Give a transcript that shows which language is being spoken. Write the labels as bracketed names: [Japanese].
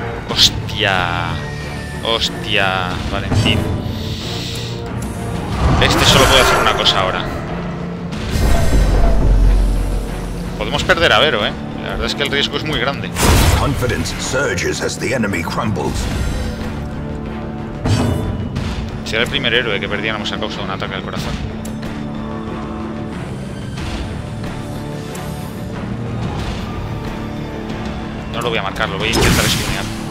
[Spanish] ¡Hostia! ¡Hostia, Valentín! Este solo puede hacer una cosa ahora. Podemos perder a Vero, ¿eh? La verdad es que el riesgo es muy grande. [English] Confidence surges as the enemy crumbles. [Spanish] Será el primer héroe que perdiéramos a causa de un ataque al corazón. No lo voy a marcar, lo voy a intentar esquinear.